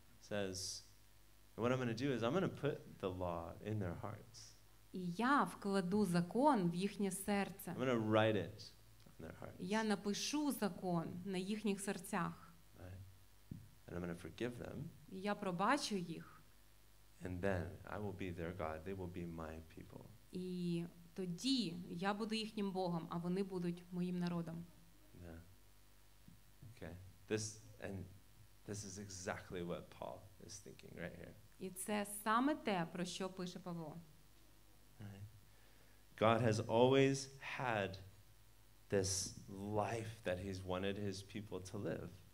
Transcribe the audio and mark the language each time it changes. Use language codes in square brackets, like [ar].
[en] Says, what I'm going to do is I'm going to put the law in their hearts. [uk] І я вкладу закон в їхнє серце. [en] I'm going to write it in their hearts. [uk] Я напишу закон на їхніх серцях. [en] Right. And I'm going to forgive them. [uk] І я пробачу їх. [en] And then I will be their God. They will be my people. [uk] І тоді я буду їхнім Богом, а вони будуть моїм народом. [en] Yeah. Okay. This is exactly what Paul is thinking right here. [uk] І це саме те, про що пише Павло. [en] God has always had this life that he's wanted his people to live.